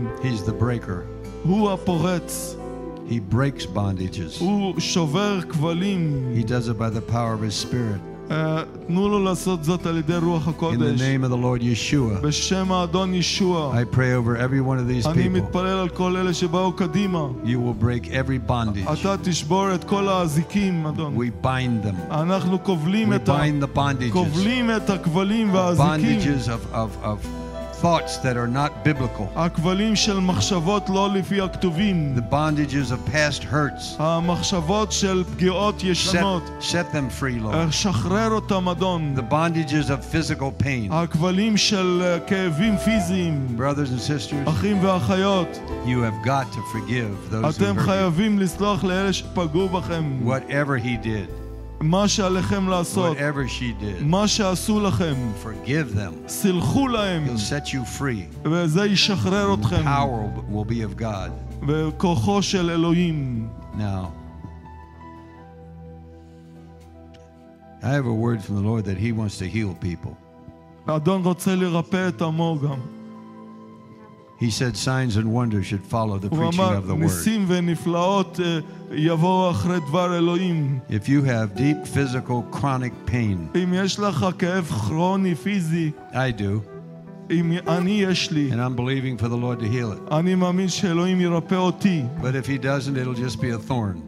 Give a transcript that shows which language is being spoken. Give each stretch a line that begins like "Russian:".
English: He's the breaker. Who aporetz? He breaks bondages. Who shover kvalim? He does it by the power of his spirit. In the name of the Lord Yeshua.
Hebrew: בשם האדון ישועה.
English: I pray over every one of these people.
Hebrew: אני מתפלל על כל אלה שבאו קדימה.
English: You will break every bondage.
Hebrew: אתה תשבור את כל האזיקים, אדון.
English: We bind them.
Hebrew: אנחנו כובלים את
English: ה... We bind the bondages.
Hebrew: כובלים את הכבלים והאזיקים.
English: Bondages of thoughts that are not biblical.
Hebrew: הכבלים של מחשבות לא לפי הכתובים.
English: The bondages of past hurts.
Hebrew: המחשבות של פגיעות ישנות.
English: Set them free, Lord.
Hebrew: שחרר אותם, אדון.
English: The bondages of physical pain.
Hebrew: הכבלים של כאבים פיזיים.
English: Brothers and sisters.
Hebrew: אחים ואחיות.
English: You have got to forgive those who hurt you.
Hebrew: אתם חייבים לסלוח לאלה שפגעו בכם.
English: Whatever he did.
Hebrew: מה שעליכם לעשות,
English: whatever she did,
Hebrew: מה שעשו לכם,
English: forgive them,
Hebrew: סלחו להם,
English: he'll set you free,
Hebrew: וזה ישחרר אתכם,
English: power will be of God,
Hebrew: וכוחו של אלוהים.
English: Now, I have a word from the Lord that he wants to heal people.
Hebrew: אדון רוצה לרפא את עמו גם.
English: He said signs and wonders should follow the preaching of the word.
Hebrew: ניסים ונפלאות יבואו אחרי דבר אלוהים.
English: If you have deep physical chronic pain,
Hebrew: אם יש לך כאב כרוני פיזי,
English: I do. And I'm believing for the Lord to heal it. But if he doesn't, it'll just be a thorn.